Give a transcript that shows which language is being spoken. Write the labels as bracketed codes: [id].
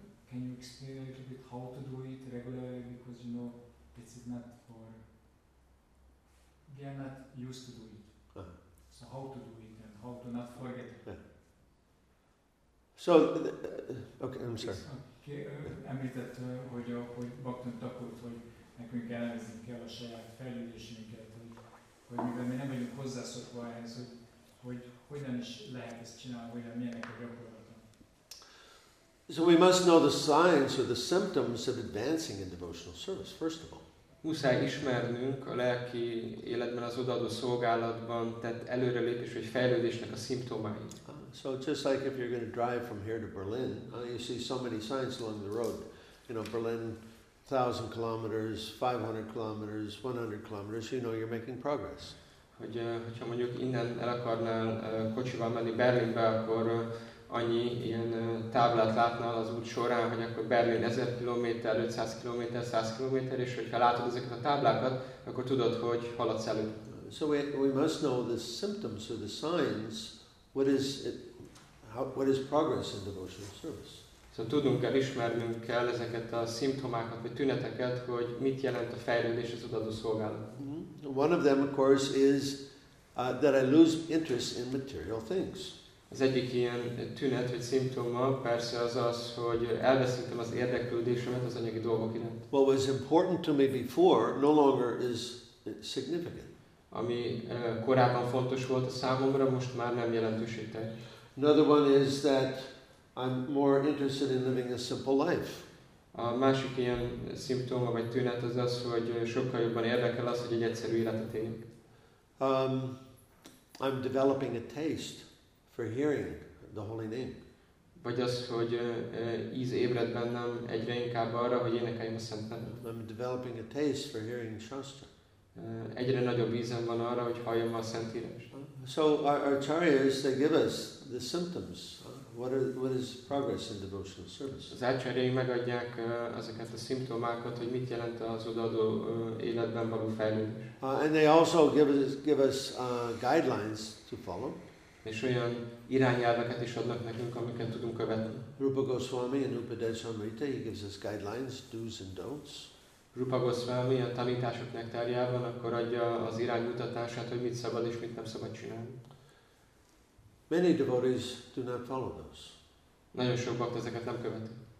[en] Can you explain a little bit how to do it regularly, because you know it's not for, we are not used to do it. Uh-huh. So how to do it and how to not forget it. Yeah. So, okay, I'm sorry. [hu] Okay, említett, hogy Bhaktivinoda Thakur, hogy nekünk elnevezni kell a saját fejlődésünket, hogy mivel mi nem vagyunk hozzászokva ehhez, hogy hogyan is lehet ezt csinálni, hogyan milyenek a gyakorlat. [en] So we must know the signs or the symptoms of advancing in devotional service, first of all. [hu] Muszáj ismernünk a lelki életben az odaadó szolgálatban tett előrelépés vagy fejlődésnek a szimptomáit. [en] So just like if you're going to drive from here to Berlin, you see so many signs along the road. You know, Berlin, 1,000 kilometers, 500 kilometers, 100 kilometers, you know you're making progress. [hu] Hogyha mondjuk innen el akarnál kocsival menni Berlinbe, akkor annyi ilyen táblát látnál az út során, hogy akkor Berlin 1000 km, 500 km, 100 km, és hogyha látod ezeket a táblákat, akkor tudod, hogy haladsz elő. [en] So we must know the symptoms or the signs, what is progress in devotional service. [hu] Szóval tudnunk kell, ismernünk kell ezeket a szimptomákat, vagy tüneteket, hogy mit jelent a fejlődés az odaadó szolgálat. [en] One of them, of course, is that I lose interest in material things. [hu] Az egyik ilyen tünet, vagy szimptoma persze az az, hogy elveszítem az érdeklődésemet az anyagi dolgok iránt. [en] What was important to me before no longer is significant. [hu] Ami korábban fontos volt a számomra, most már nem jelentősített. [en] Another one is that I'm more interested in living a simple life. [hu] A másik ilyen szimptoma vagy tünet az az, hogy sokkal jobban érdekel az, hogy egy egyszerű életet éljünk. [en] I'm developing a taste for hearing the holy name. [hu] Vagy az, hogy íz ébred bennem egyre inkább arra, hogy énekeljem a Szent Nevet. [en] I'm developing a taste for hearing Shastra. [hu] Egyre nagyobb ízem van arra, hogy halljam a Szentírást. [en] So our acharyas, they give us the symptoms. What is progress in devotional service? [hu] Az acharyai megadják ezeket a szimptomákat, hogy mit jelent az odaadó életben való fejlődés. [en] And they also give us guidelines to follow. [hu] És olyan irányelveket is adnak nekünk, amiket tudunk követni. [en] Rupa Goswami and Upadeshamrita, he gives us guidelines, do's and don'ts. [hu] Rupa Goswami a tanítások nektárjában akkor adja az iránymutatását, hogy mit szabad és mit nem szabad csinálni. [en] Many devotees do not follow those. [hu] Nagyon sok bakta ezeket nem követi.